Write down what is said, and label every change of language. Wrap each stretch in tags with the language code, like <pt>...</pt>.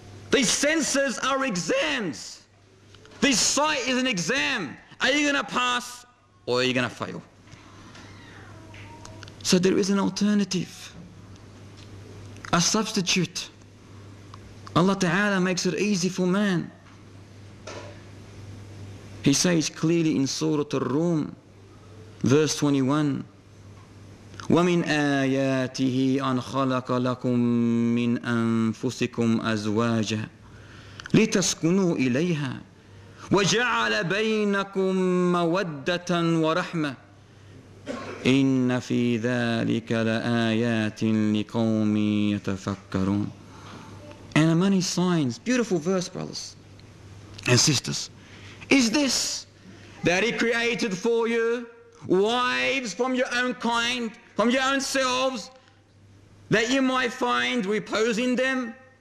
<en>These senses are exams. This sight is an exam. Are you going to pass or are you going to fail? So there is an alternative, a substitute. Allah Ta'ala makes it easy for man. He says clearly in Surah Ar-Rum, verse 21,</en> <ar>وَمِنْ آيَاتِهِ أَنْ خَلَقَ لَكُمْ مِنْ أَنفُسِكُمْ أَزْوَاجًا لِتَسْكُنُوا إِلَيْهَا وَجَعَلَ بَيْنَكُمْ مَوَدَّةً وَرَحْمَةً إِنَّ فِي ذَلِكَ لَآيَاتٍ لِقَوْمٍ يَتَفَكَّرُونَ.</ar> <en>And many signs, beautiful verse, brothers and sisters. Is this that he created for you wives from your own kind, from your own selves, that you might find repose in them?</en>